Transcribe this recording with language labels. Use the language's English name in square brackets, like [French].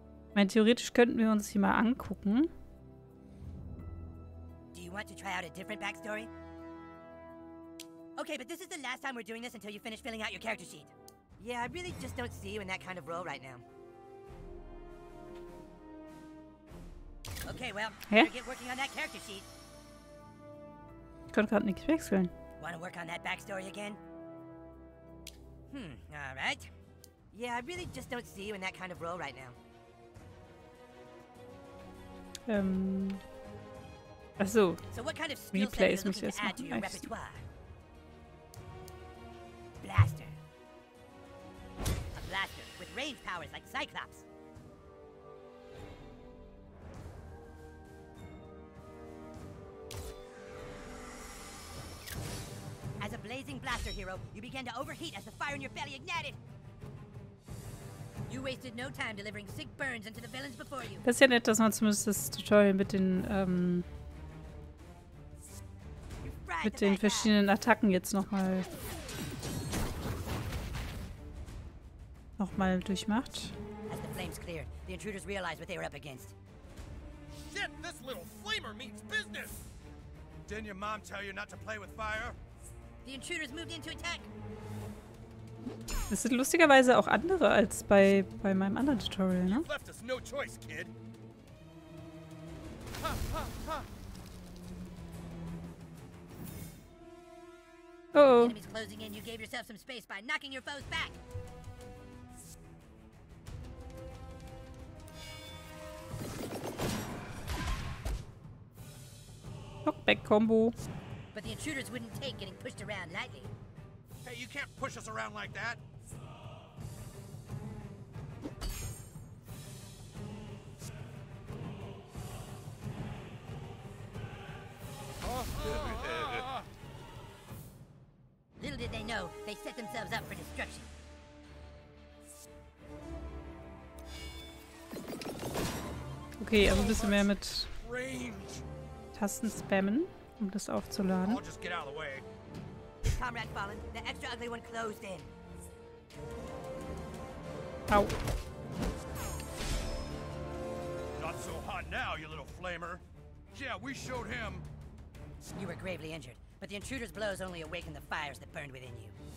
[German] Ich meine, theoretisch könnten wir uns hier mal angucken. [English] Do you want to try out a different backstory? Okay, but this is the last time we're doing this until you finish filling out your character sheet. Yeah, I really just don't see you in that kind of role right now. Okay, well, we'll get working on that character sheet. [German] Ich konnte gerade nichts wechseln. [English] Want to work on that backstory again? All right. Yeah, I really just don't see you in that kind of role right now. [German] Achso. [English] So what kind of replay [German] ist mich jetzt noch ein bisschen. [English] Blaster. A blaster with range powers like Cyclops. As a blazing blaster hero, you began to overheat as the fire in your belly ignited. You wasted no time delivering sick burns into the villains before you. [German] Das ist ja nett, dass man zumindest das Tutorial mit den verschiedenen Attacken jetzt nochmal durchmacht. [English] As the flames cleared, the intruders realized what they were up against. Shit, this little flamer means business. Didn't your mom tell you not to play with fire? The intruders moved into attack. [German] Das sind lustigerweise auch andere als bei meinem anderen Tutorial, ne? [English] Left us no choice, kid. Oh. Enemies closing in. You gave yourself some space by knocking your foes back. Knockback combo. But the intruders wouldn't take getting pushed around lightly. Hey, you can't push us around like that. Little did they know, they set themselves up for destruction. [German] Okay, also ein bisschen mehr mit Tasten spammen. Um das aufzuladen. [English] I'll just get out of the way. Comrade Fallen, the extra ugly one closed in. Ow. Not so hot now, you little flamer. Yeah, we showed him. You were gravely injured, but the intruder's blows only awakened the fires that burned within you.